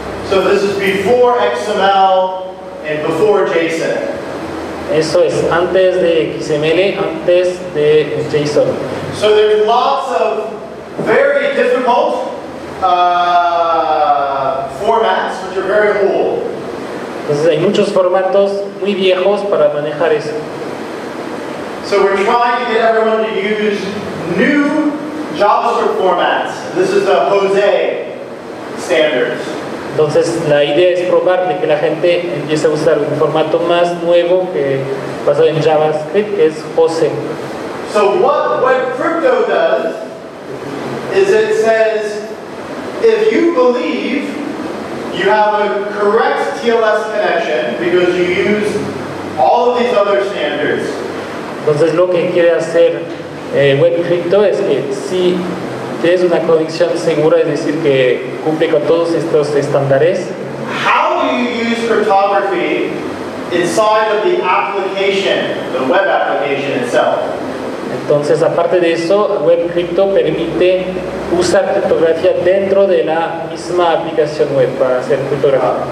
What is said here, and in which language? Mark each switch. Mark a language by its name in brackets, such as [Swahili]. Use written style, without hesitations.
[English] So this is before XML and before JSON. [Spanish] Eso es antes de XML, antes de JSON. [English] So there's lots of very difficult formats which are very old. [Spanish] Entonces hay muchos formatos muy viejos para manejar eso. [English] So we're trying to get everyone to use new JavaScript formats. This is the Jose standards. [Spanish] Entonces la idea es probar de que la gente empiece a usar un formato más nuevo que basado en JavaScript, que es Jose. [English] So what Web Crypto does is it says if you believe you have a correct TLS connection because you use all of these other standards. [Spanish] Entonces lo que quiere hacer Web Crypto es que si tienes una conexión segura, es decir, que cumple con todos estos estándares. [English] How do you use cryptography inside of the application, the web application itself? [Spanish] Entonces, aparte de eso, Web Crypto permite usar criptografía dentro de la misma aplicación web para hacer criptografía.